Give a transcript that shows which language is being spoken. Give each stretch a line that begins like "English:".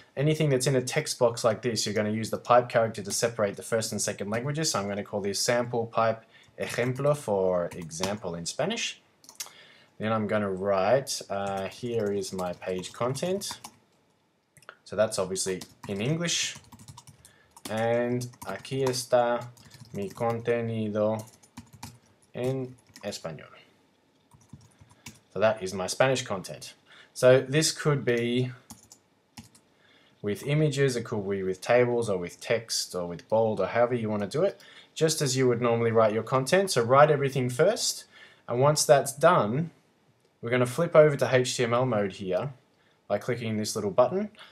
English: Anything that's in a text box like this, you're going to use the pipe character to separate the first and second languages. So I'm going to call this sample pipe ejemplo for example in Spanish. Then I'm going to write, here is my page content. So that's obviously in English.
Spanish: And aquí está mi contenido en español.
English: So that is my Spanish content. So this could be with images, it could be with tables or with text or with bold or however you want to do it, just as you would normally write your content. So write everything first. And once that's done, we're going to flip over to HTML mode here by clicking this little button.